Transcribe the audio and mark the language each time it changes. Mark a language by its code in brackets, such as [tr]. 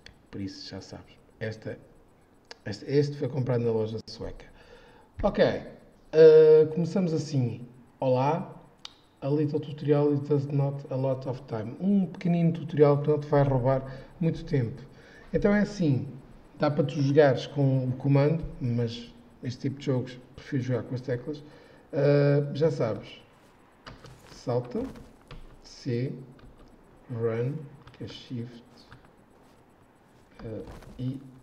[pt] Por isso já sabes. Este foi comprado na loja sueca. Ok, começamos assim. [en] Olá, a little tutorial, it does not a lot of time. [pt] Um pequenino tutorial que não te vai roubar muito tempo. Então é assim, dá para tu jogares com o comando, mas este tipo de jogos prefiro jogar com as teclas. Já sabes, salta, C, run, que é shift, e...